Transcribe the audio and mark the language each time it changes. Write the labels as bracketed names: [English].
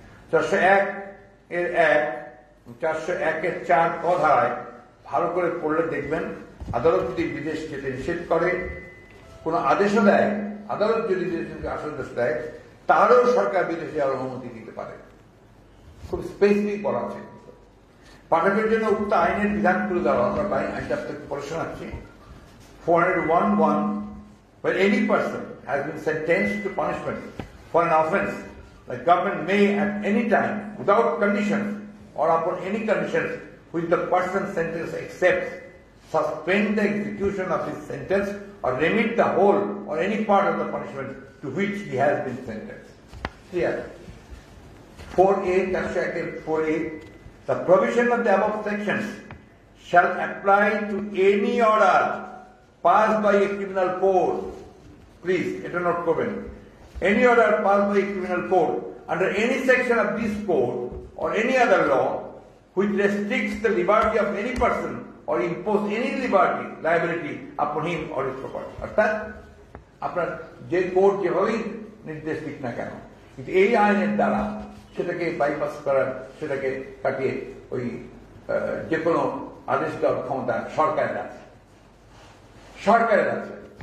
[Bangla] 401 এর 401 এর 4 ক ধারায় ভালো করে পড়লে দেখবেন আদালত যদি বিদেশ যেতে নিষেধ করে, কোন আদেশও দেয়, আদালত যদি আদেশ দেয় তারও সরকার বিদেশে যাওয়ার অনুমতি দিতে পারে, খুব স্পেসিফিক বলা আছে। পাঠানোর জন্য উক্ত আইনের বিধান করে দেওয়া, আমরা বাইন আইনটা আপনাকে পড়ে শোনাচ্ছি, [English] 401(1) where any person has been sentenced to punishment for an offense, the government may at any time, without condition or upon any condition which the person sentenced accepts, suspend the execution of his sentence or remit the whole or any part of the punishment to which he has been sentenced. Clear? 4A, that's actually 4A. The provision of the above sections shall apply to any order passed by a criminal court. [Bangla] Please এটা note করবেন, [English] any order pass by criminal code under any section of this code or any other law which restricts the liberty of any person or impose any liberty liability upon him or his property, [Bangla] অর্থাৎ আপনার যে code যেভাবেই নির্দেশ দিক না কেন, কিন্তু এই আইনের দ্বারা সেটাকে বাইপাস করার, সেটাকে কাটিয়ে ওই যে কোনো আদেশ দেওয়ার ক্ষমতা সরকারের আছে। [English] সরকারের আছে।